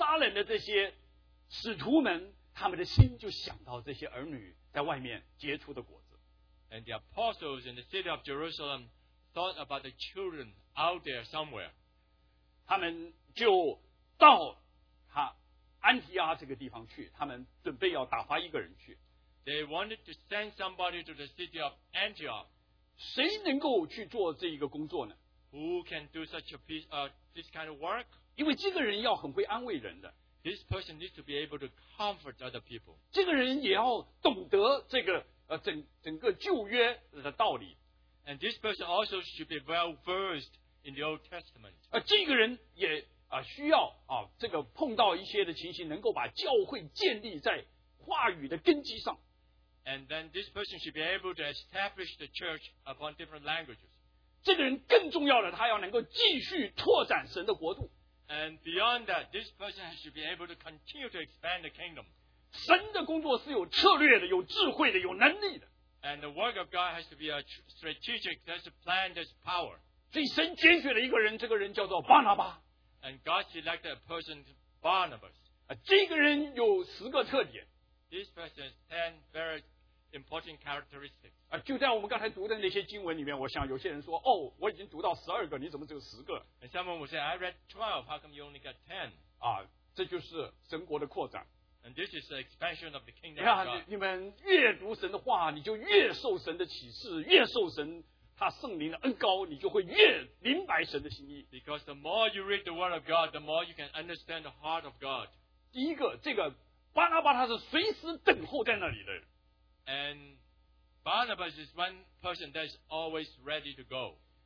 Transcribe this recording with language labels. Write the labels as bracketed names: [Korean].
[Chinese] 第二,我们就看见耶路撒冷的这些使徒们, 他们的心就想到这些儿女在外面结出的果子。 [English] And the apostles in the city of Jerusalem thought about the children out there somewhere. [Chinese] 他们就到安提阿这个地方去, 他们准备要打发一个人去。 [English] They wanted to send somebody to the city of Antioch. [Chinese] 谁能够去做这一个工作呢? [English] Who can do such a piece, this kind of work? [Chinese] 因为这个人要很会安慰人的。 [English] This person needs to be able to comfort other people. [Chinese] 这个人也要懂得这个, 整个旧约的道理。 [English] And this person also should be well versed in the Old Testament. [Chinese] 这个人也, 需要, 这个碰到一些的情形, 能够把教会建立在话语的根基上。 [English] And then this person should be able to establish the church upon different languages. [Chinese] 这个人更重要的, 他要能够继续拓展神的国度。 [English] And beyond that, this person should be able to continue to expand the kingdom. [Chinese] 神的工作是有策略的, 有智慧的, 有能力的。 [English] And the work of God has to be a strategic, there's a plan, there's power. [Chinese] 所以神拣选了一个人, 这个人叫做巴拿巴。 [English] And God selected a person, Barnabas. [Chinese] 这个人有10个特点。 [English] This person has 10 very important characteristics. [Chinese] 就在我们刚才读的那些经文里面, 我想有些人说, 哦, 我已经读到12个, 你怎么只有10个? [English] And someone will say, I read 12, how come you only got 10? [Chinese] 这就是神国的扩展。 [English] And this is the expansion of the kingdom of God. [Chinese] 你们越读神的话, 你就越受神的启示, 越受神他圣灵的恩膏, 你就会越明白神的心意。 [English] Because the more you read the word of God, the more you can understand the heart of God. [Chinese] 第一个, 这个, 巴拿巴他是随时等候在那里的人。 [English] And Barnabas is one person that is always ready to go.